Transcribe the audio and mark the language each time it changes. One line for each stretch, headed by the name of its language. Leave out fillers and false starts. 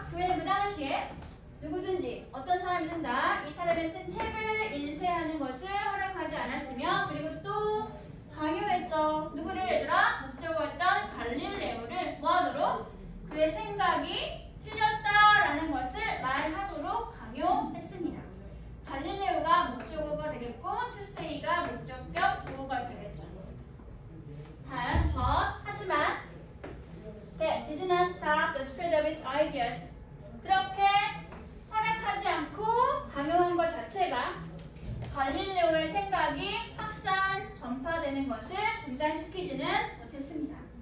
Korean: 그러면 그 당시에 누구든지 어떤 사람이든다 이 사람의 쓴 책을 인쇄하는 것을 허락하지 않았으며 그리고 또 강요했죠. 누구를 얘들아? 목적어였던 갈릴레오를 뭐하도록? 그의 생각이 틀렸다라는 것을 말하도록 강요했습니다. 갈릴레오가 목적어가 되겠고 투세이가 목적격 부호가 되겠죠. 다음
English: but
Korean: 하지만
English: that did not stop the spread of his ideas.
Korean: 그렇게 허락하지 않고 강요한 것 자체가 갈릴레오의 생각이 확산, 전파되는 것을 중단시키지는 못했습니다.